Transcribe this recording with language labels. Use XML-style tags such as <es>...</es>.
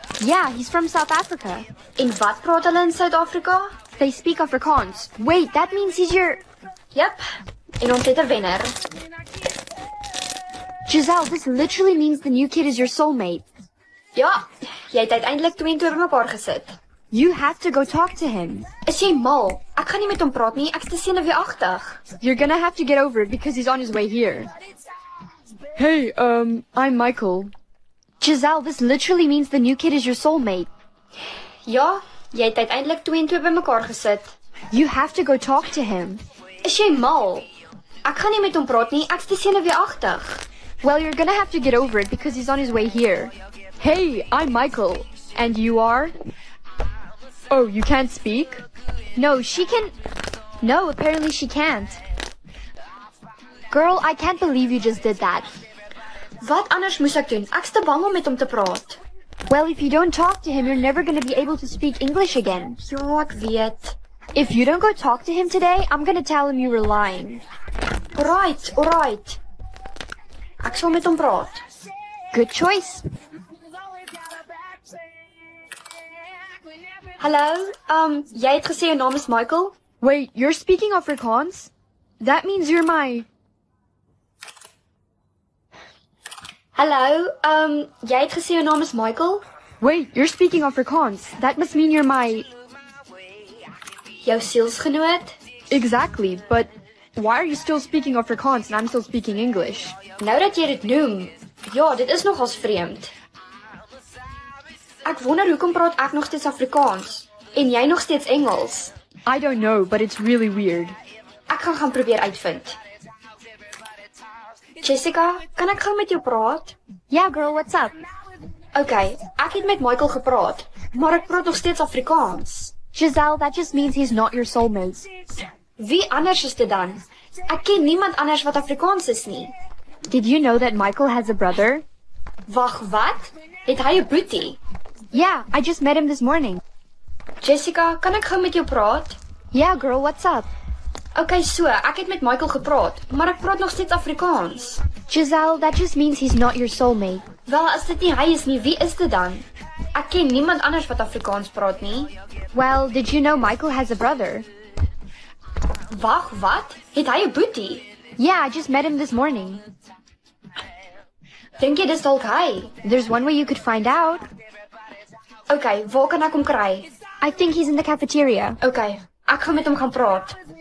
<en>Yeah, he's from South Africa.</en> <af>En wat praat hulle in South Africa?</af> <en>They speak Afrikaans. Wait, that means he's your...</en> <af>Yep, en ons het 'n wenner.</af> <en>Giselle, this literally means the new kid is your soulmate.</en> <af>Ja, jy het uiteindelik 2 en 2 bymekaar gesit.</af> <en>You have to go talk to him.</en> <af>Is jy mal? Ek kan nie met hom praat nie, ek is te senuweeagtig.</af> <en>You're gonna have to get over it because he's on his way here. Hey, I'm Michael. Giselle, this literally means the new kid is your soulmate.</en> <af>Ja, jy het uiteindelik 2 en 2 bymekaar gesit.</af> <en>You have to go talk to him.</en> <af>Is jy mal? Ek kan nie met hom praat nie, ek is te senuweeagtig.</af> <en>Well, you're gonna have to get over it because he's on his way here. Hey, I'm Michael. And you are? Oh, you can't speak? No, she can... No, apparently she can't. Girl, I can't believe you just did that.</en> <af>Wat anders moes ek doen? Ek is te bang om met hom te praat.</af> <en>Well, if you don't talk to him, you're never gonna be able to speak English again.</en> <af>Ja, ek weet.</af> <en>If you don't go talk to him today, I'm gonna tell him you were lying. Right, alright.</en> <af>Ek sal met hom praat.</af> <en>Good choice.</en> <af>Hello, jy het gesê jou naam is Michael?</af> <en>Wait, you're speaking Afrikaans? That means you're my...</en> <af>Hello, jy het gesê jou naam is Michael?</af> <en>Wait, you're speaking Afrikaans? That must mean you're my...</en> <af>Jou sielsgenoot?</af> <en>Exactly, but why are you still speaking Afrikaans and I'm still speaking English?</en> <af>Nou dat jy dit noem, ja, dit is nogals vreemd. Ek wonder hoekom praat ek nog steeds Afrikaans en jy nog steeds Engels.</af> <en>I don't know, but it's really weird.</en> <af>Ek gaan gaan probeer uitvind. Jessica, kan ek gaan met jou praat?</af> <en>Yeah, girl, what's up?</en> <af>Okay, ek het met Michael gepraat, maar ek praat nog steeds Afrikaans.</af> <en>Giselle, that just means he's not your soulmate.</en> <af>Wie anders is dit dan? Ek ken niemand anders wat Afrikaans is nie.</af> <en>Did you know that Michael has a brother?</en> <af>Wag, wat? Het hy 'n broertjie?</af> <en>Yeah, I just met him this morning.</en> <af>Jessica, kan ek gou met jou praat?</af> <en>Yeah, girl, what's up?</en> <af>Okay, so, ek het met Michael gepraat, maar ek praat nog steeds Afrikaans.</af> <en>Giselle, that just means he's not your soulmate.</en> <af>Wel, as dit nie hy is nie, wie is dit dan? Ek ken niemand anders wat Afrikaans praat nie.</af> <en>Well, did you know Michael has a brother?</en> <af>Wag, wat? Het hy 'n broertjie?</af> <en>Yeah, I just met him this morning.</en> <af>Dink jy dis dalk hy?</af> <en>There's one way you could find out.</en> <af>Okay, waar kan ek hom kry?</af> <en>I think he's in the cafeteria.</en> <af>Okay, ek gaan met hom gaan praat.</af>